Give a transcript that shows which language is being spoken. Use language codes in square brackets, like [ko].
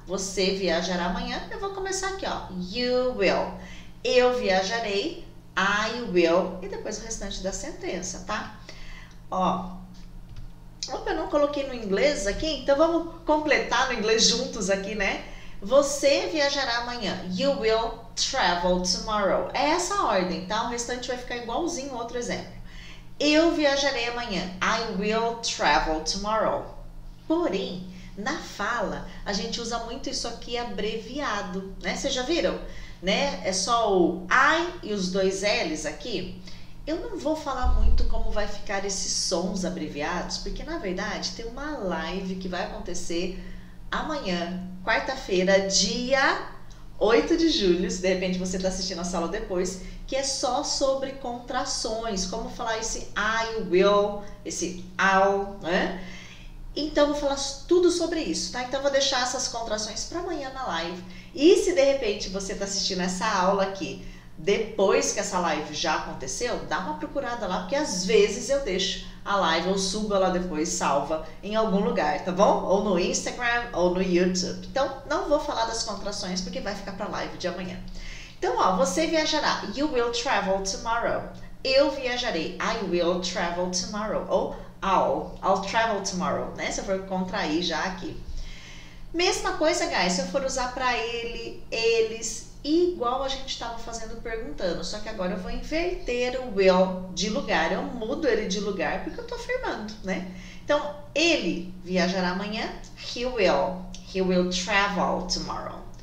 [pt] Você viajará amanhã. Eu vou começar aqui, ó. [en] You will. [pt] Eu viajarei. [en] I will. [pt] E depois o restante da sentença, tá? Ó. Opa, eu não coloquei no inglês aqui. Então, vamos completar no inglês juntos aqui, né? Você viajará amanhã. [en] You will travel tomorrow. [pt] É essa a ordem, tá? O restante vai ficar igualzinho o outro exemplo. Eu viajarei amanhã. [en] I will travel tomorrow. [pt] Porém, na fala, a gente usa muito isso aqui abreviado, né? Vocês já viram? Né? É só o I e os dois L's aqui. Eu não vou falar muito como vai ficar esses sons abreviados, porque na verdade tem uma live que vai acontecer amanhã, quarta-feira, dia 8 de julho, se de repente você está assistindo a sala depois, que é só sobre contrações, como falar esse I will, esse I'll, né? Então, eu vou falar tudo sobre isso, tá? Então, eu vou deixar essas contrações para amanhã na live. E se de repente você está assistindo essa aula aqui depois que essa live já aconteceu, dá uma procurada lá, porque às vezes eu deixo a live, eu subo ela depois, salva em algum lugar, tá bom? Ou no Instagram ou no YouTube. Então, não vou falar das contrações porque vai ficar para a live de amanhã. Então, ó, você viajará. [en] You will travel tomorrow. [pt] Eu viajarei. [en] I will travel tomorrow. [pt] Ou [en] I'll travel tomorrow, [pt] né? Se eu for contrair já aqui. Mesma coisa, guys, se eu for usar para ele, eles, igual a gente estava fazendo perguntando, só que agora eu vou inverter o will de lugar, eu mudo ele de lugar porque eu estou afirmando, né? Então, ele viajará amanhã, [en] he will travel tomorrow.